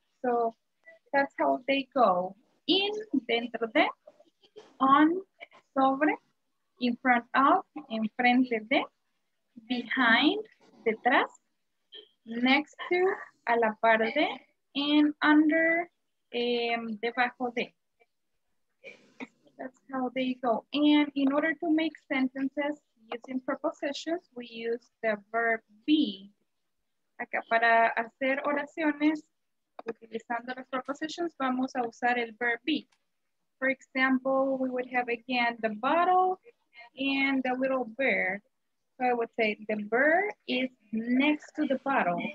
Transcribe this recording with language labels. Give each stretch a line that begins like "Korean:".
English: So that's how they go. In, dentro de, on, sobre, in front of, en frente de, behind, detrás, next to, a la par de, and under, debajo de. That's how they go. And in order to make sentences using prepositions, we use the verb be.
Spanish: Acá para hacer oraciones utilizando las prepositions, vamos a usar el verb be.
English: For example, we would have again the bottle and the little bear. So I would say the bird is next to the bottle.